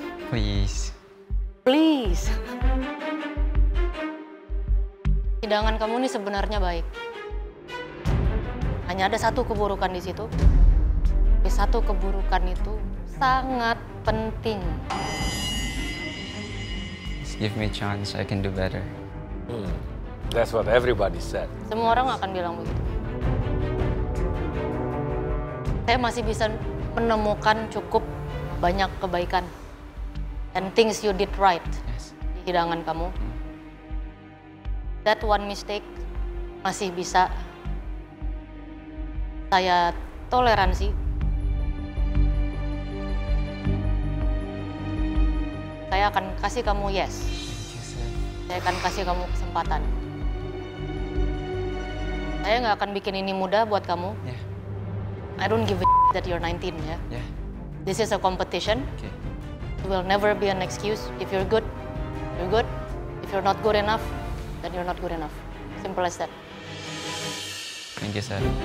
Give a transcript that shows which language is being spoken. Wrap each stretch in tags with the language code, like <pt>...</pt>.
<en>Please.</en> <id>Hidangan kamu ini sebenarnya baik. Hanya ada satu keburukan di situ. Tapi satu keburukan itu sangat penting.</id> <en>Just give me a chance, I can do better. That's what everybody said.</en> <id>Semua orang akan bilang begitu. Saya masih bisa menemukan cukup banyak kebaikan.</id> <en>And things you did right, yes,</en> <id>di hidangan kamu.</id> <en>That one mistake</en> <id>masih bisa saya toleransi. Saya akan kasih kamu yes. Saya akan kasih kamu kesempatan. Saya nggak akan bikin ini mudah buat kamu.</id> <en>Yeah. I don't give a that you're 19, ya. Yeah? Yeah. This is a competition. Okay. It will never be an excuse. If you're good, you're good. If you're not good enough, then you're not good enough. Simple as that. Thank you, sir.</en>